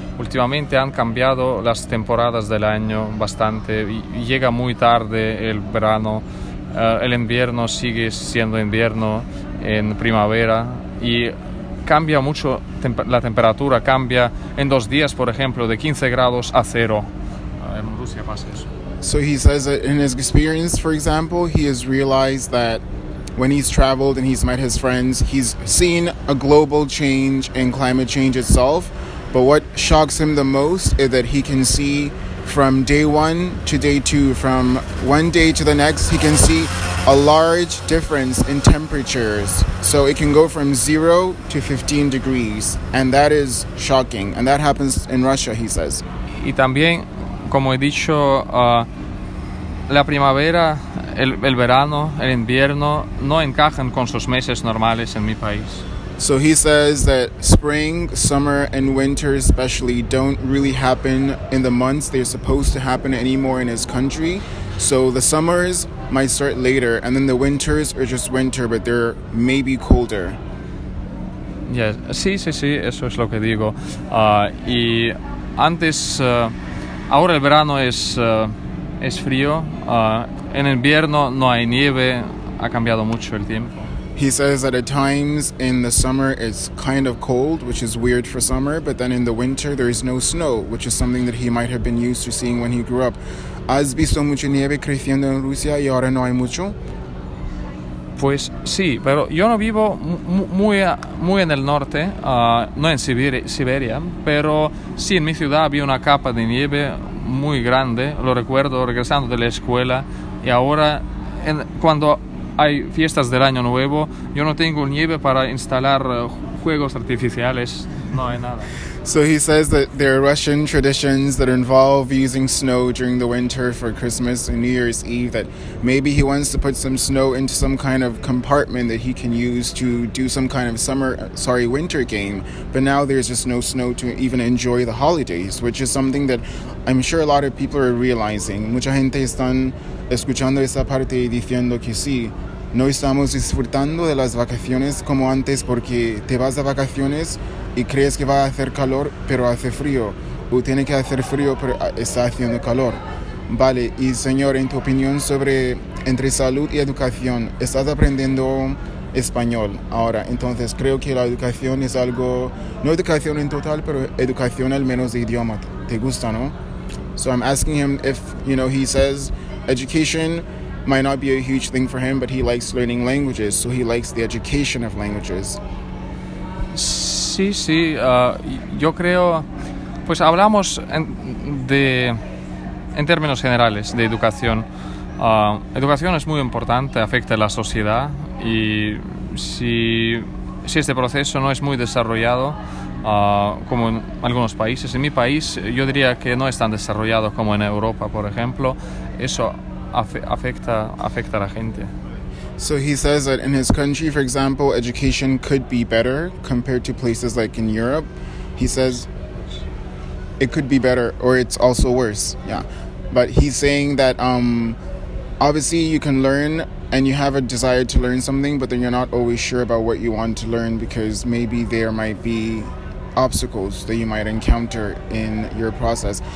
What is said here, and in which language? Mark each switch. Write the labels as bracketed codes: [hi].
[es] Últimamente han cambiado las temporadas del año bastante. Llega muy tarde el verano, el invierno sigue siendo invierno en primavera y cambia mucho la temperatura. Cambia en 2 días, por ejemplo, de 15 grados a cero. En Rusia pasa eso. [en] So he says that in his experience, for example, he has realized that when he's traveled and he's met his friends, he's seen a global change in climate change itself. But what shocks him the most is that he can see from day one to day two, from one day to the next, he can see a large difference in temperatures. So it can go from 0 to 15 degrees, and that is shocking. And that happens in Russia, he says. [es] Y también, como he dicho, la primavera, el verano, el invierno no encajan con sus meses normales en mi país. [en] So he says that spring, summer, and winter especially don't really happen in the months they're supposed to happen anymore in his country. So the summers might start later, and then the winters are just winter, but they're maybe colder. Yes, [es] sí, sí, sí, eso es lo que digo. Y antes, ahora el verano es frío. En invierno no hay nieve, ha cambiado mucho el tiempo. [en] He says that at times in the summer it's kind of cold, which is weird for summer, but then in the winter there is no snow, which is something that he might have been used to seeing when he grew up. [es] ¿Has visto mucha nieve creciendo en Rusia y ahora no hay mucho? Pues sí, pero yo no vivo muy en el norte, no en Siberia, pero sí, en mi ciudad había una capa de nieve muy grande, lo recuerdo regresando de la escuela, y ahora cuando hay fiestas del año nuevo, yo no tengo nieve para instalar juegos artificiales, no hay nada. [en] So he says that there are Russian traditions that involve using snow during the winter for Christmas and New Year's Eve, that maybe he wants to put some snow into some kind of compartment that he can use to do some kind of winter game. But now there's just no snow to even enjoy the holidays, which is something that I'm sure a lot of people are realizing. [es] Mucha gente están escuchando esa parte y diciendo que sí, no estamos disfrutando de las vacaciones como antes porque te vas de vacaciones y crees que va a hacer calor, pero hace frío. O tiene que hacer frío, pero está haciendo calor. Vale, y señor, en tu opinión sobre entre salud y educación, estás aprendiendo español ahora. Entonces, creo que la educación es algo, no educación en total, pero educación al menos de idioma. ¿Te gusta, no? [en] So I'm asking him if, you know, he says education might not be a huge thing for him, but he likes learning languages, so he likes the education of languages. [es] Sí, sí, yo creo, pues hablamos en términos generales de educación. Educación es muy importante, afecta a la sociedad, y si este proceso no es muy desarrollado, como en algunos países, en mi país yo diría que no es tan desarrollado como en Europa, por ejemplo, eso afecta a la gente. [en] So he says that in his country, for example, education could be better compared to places like in Europe. He says it could be better or it's also worse. Yeah. But he's saying that obviously you can learn and you have a desire to learn something, but then you're not always sure about what you want to learn because maybe there might be obstacles that you might encounter in your process.